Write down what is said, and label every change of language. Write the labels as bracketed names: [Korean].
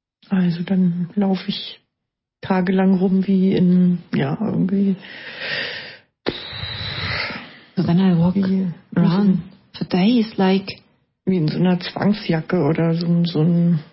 [German] Also dann laufe ich tagelang rum wie in, ja, irgendwie. [English] So then I walk around for days like... [German] Wie in so einer Zwangsjacke oder so ein...